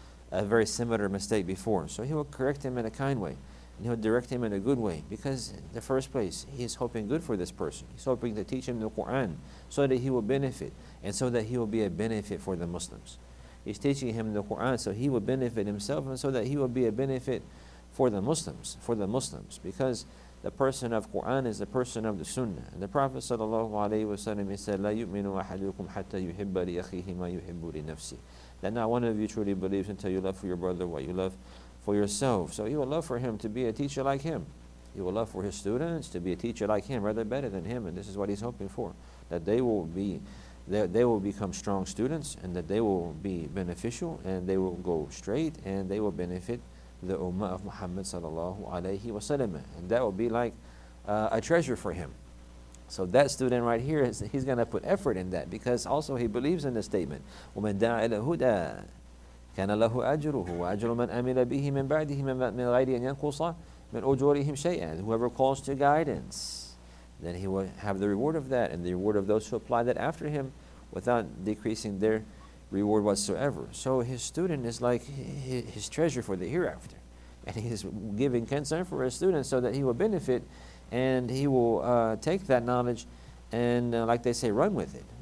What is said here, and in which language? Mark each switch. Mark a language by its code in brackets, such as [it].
[en] So he will correct him in a kind way, and he'll direct him in a good way, because in the first place, he's hoping good for this person. He's hoping to teach him the Quran so that he will benefit, and so that he will be a benefit for the Muslims. He's teaching him the Quran so he will benefit himself, and so that he will be a benefit for the Muslims, because the person of Quran is the person of the Sunnah. And the Prophet sallallahu alaihi wasallam, he said, [ar] لَا يُؤْمِنُ أَحَدُكُمْ حَتَّى يُحِبَّ لِيَخِيهِ مَا يُحِبُّ لِنَفْسِهِ. [en] That not one of you truly believes until you love for your brother what you love for yourself. So he will love for him to be a teacher like him. He will love for his students to be a teacher like him, rather better than him. And this is what he's hoping for, that they will become strong students, and that they will be beneficial, and they will go straight, and they will benefit the Ummah of Muhammad sallallahu alayhi wa sallam. And that will be like a treasure for him. So that student right here, he's going to put effort in that, because also he believes in the statement, [ar] وَمَنْ دَعَ إِلَى هُدَى كَانَ لَهُ أَجْرُهُ وَأَجْرُ مَنْ أَمِلَ بِهِ مِنْ بَعْدِهِ مِنْ غَيْرِ أَنْ يَنْقُصَ مِنْ أُجُورِهِمْ شَيْئًا. [en] Whoever calls to guidance, then he will have the reward of that, and the reward of those who apply that after him without decreasing their reward whatsoever. So his student is like his treasure for the hereafter. And he is giving concern for his student so that he will benefit, and he will take that knowledge and, like they say, run with it.